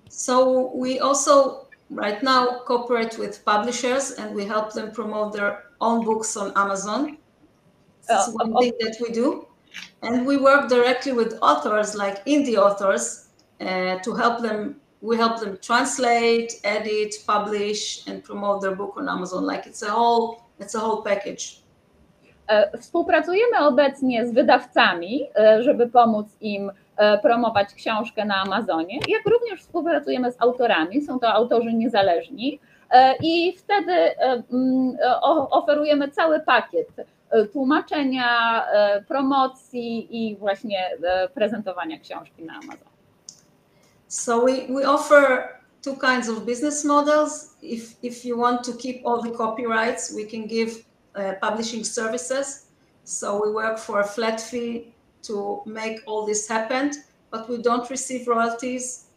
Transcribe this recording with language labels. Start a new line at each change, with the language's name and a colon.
English: So we also right now cooperate with publishers and we help them promote their own books on Amazon. That's one thing that we do. And we work directly with authors, like indie authors, to help them. We help them translate, edit, publish, and promote their book on Amazon. Like it's a whole package.
Polish: Współpracujemy obecnie z wydawcami, żeby pomóc im promować książkę na Amazonie, jak również współpracujemy z autorami, są to autorzy niezależni, i wtedy oferujemy cały pakiet tłumaczenia, promocji i właśnie prezentowania książki na Amazon.
English: So we offer two kinds of business models. If you want to keep all the copyrights, we can give publishing services. So we work for a flat fee to make all this happen, but we don't receive royalties.